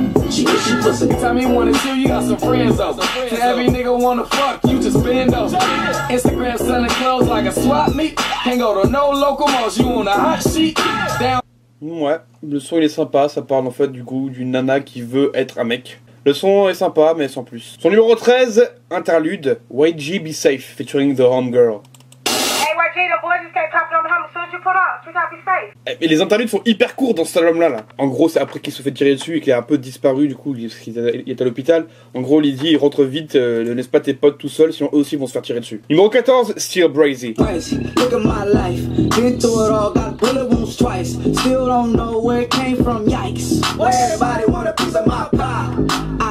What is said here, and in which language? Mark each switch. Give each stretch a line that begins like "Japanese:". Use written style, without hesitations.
English: She wish she was a nigga. Time you wanna chill, you got some friends up. And every nigga wanna fuck, you just bend up. Instagram selling clothes like a swap meet. Can't go to no local malls, you on a hot sheet. Down.
French: Ouais, le son il est sympa, ça parle en fait du goût d'une nana qui veut être un mec. Le son est sympa, mais sans plus. Son numéro 13, interlude, YG Be Safe, featuring The Homegirl.
English: Hey YG, the boy just got popped on the home, so you put up, we gotta be safe.
French: Et les interludes sont hyper courts dans cet album là. En gros, c'est après qu'il se fait tirer dessus et qu'il est un peu disparu du coup, parce qu'il est à l'hôpital. En gros, Lizzy, il rentre vite, ne laisse pas tes potes tout seuls, sinon eux aussi vont se faire tirer dessus. Numéro 14, Still Brazy.
English: Look at my life, been through it all, got bullet wounds twice. Still don't know where it came from, yikes. Why everybody want a piece of my pie?